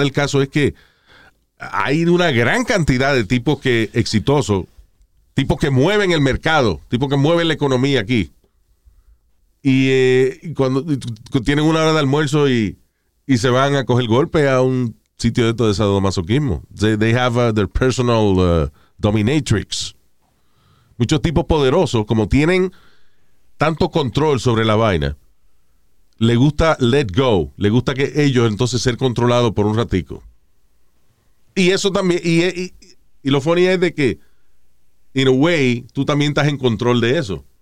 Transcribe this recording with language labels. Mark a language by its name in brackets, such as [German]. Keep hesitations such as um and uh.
[Spanish] del caso es que hay una gran cantidad de tipos que exitosos, tipos que mueven el mercado, tipos que mueven la economía aquí. Y eh, cuando tienen una hora de almuerzo y, y se van a coger golpe a un sitio de todo ese masoquismo. [English] They, they, have uh, their personal uh, dominatrix. [Spanish] Muchos tipos poderosos, como tienen tanto control sobre la vaina, le gusta [English] let go, [Spanish] le gusta que ellos entonces ser controlados por un ratico. Y eso también, y, y, y lo funny es de que, [English] in a way, [Spanish] tú también estás en control de eso.